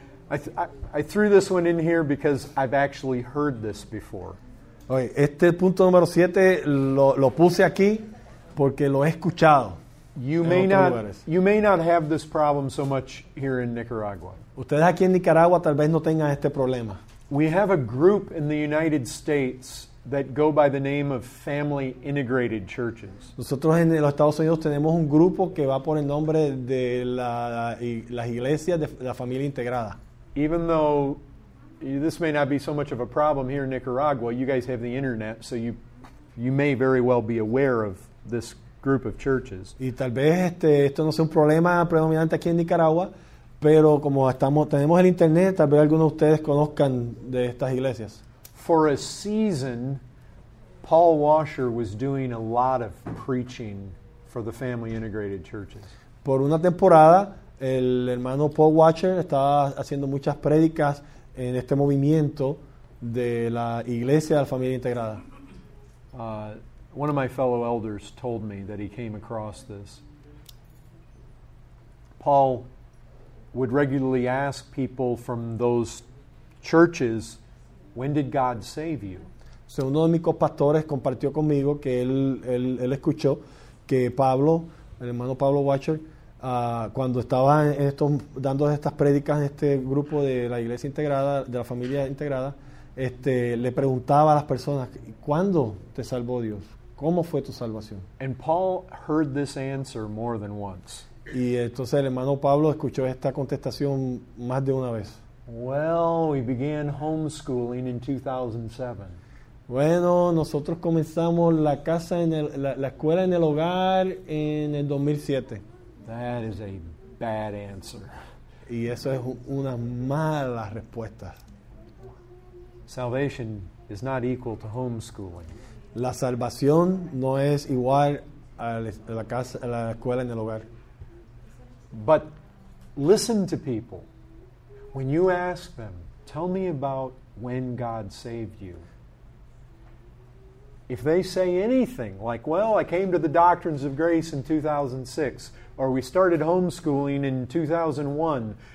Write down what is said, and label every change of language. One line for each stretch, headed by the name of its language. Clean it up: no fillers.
English: I threw this one in here because I've actually heard this before.
Spanish: Oye, este punto número siete lo puse aquí porque lo he escuchado.
English: You may not have this problem so much here in Nicaragua.
Spanish: Ustedes aquí en Nicaragua tal vez no tengan este problema.
English: We have a group in the United States that go by the name of Family Integrated Churches.
Spanish: Nosotros en los Estados Unidos tenemos un grupo que va por el nombre de las iglesias de la familia integrada.
English: Even though this may not be so much of a problem here in Nicaragua, you guys have the internet, so you may very well be aware of this group of churches.
Spanish: Y tal vez esto no sea un problema predominante aquí en Nicaragua, pero como tenemos el internet, tal vez algunos de ustedes conozcan de estas iglesias.
English: For a season, Paul Washer was doing a lot of preaching for the Family Integrated Churches.
Spanish: Por una temporada, el hermano Paul Washer estaba haciendo muchas prédicas en este movimiento de la Iglesia de la Familia Integrada.
English: One of my fellow elders told me that he came across this. Paul would regularly ask people from those churches, "When did God save you?"
Spanish: So uno de mis copastores compartió conmigo que él escuchó que Pablo, el hermano Pablo Washer, cuando estaba dando estas prédicas en este grupo de la Iglesia Integrada, de la Familia Integrada, le preguntaba a las personas, "¿Cuándo te salvó Dios? ¿Cómo fue tu salvación?"
English: And Paul heard this answer more than once.
Spanish: Y entonces el hermano Pablo escuchó esta contestación más de una vez.
English: Well, we began homeschooling in 2007.
Spanish: Bueno, nosotros comenzamos la escuela en el hogar en el 2007.
English: That is a bad answer.
Spanish: Y eso es una mala respuesta.
English: Salvation is not equal to homeschooling.
Spanish: La salvación no es igual a la escuela en el hogar.
English: But listen to people. When you ask them, "Tell me about when God saved you," if they say anything like, "Well, I came to the doctrines of grace in 2006, or we started homeschooling in 2001.